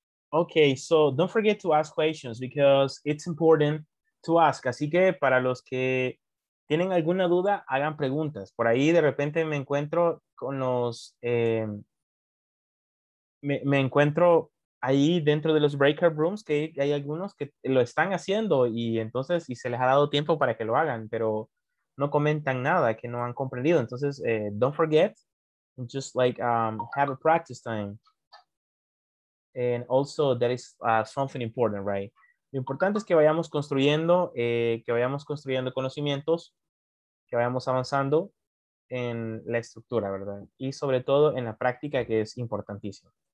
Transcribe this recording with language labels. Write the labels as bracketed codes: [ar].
[en] Okay, so don't forget to ask questions because it's important to ask. [es] Así que para los que tienen alguna duda, hagan preguntas. Por ahí de repente me encuentro con los... me encuentro ahí dentro de los breakout rooms que hay algunos que lo están haciendo y entonces y se les ha dado tiempo para que lo hagan, pero no comentan nada que no han comprendido. [en] Entonces, don't forget, just like have a practice time. And also that is something important, right? [es] Lo importante es que vayamos construyendo, conocimientos, que vayamos avanzando en la estructura, ¿verdad? Y sobre todo en la práctica, que es importantísimo.